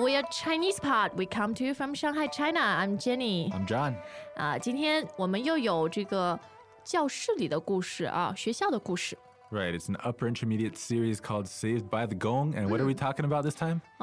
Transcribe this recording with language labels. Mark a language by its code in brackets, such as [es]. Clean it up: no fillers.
[en] ChinesePod, we come to you from Shanghai, China. I'm Jenny. I'm John. [zh] 今天我们又有这个教室里的故事啊，学校的故事。 [en] Right, it's an upper intermediate series called Saved by the Gong. And what are we talking about this time?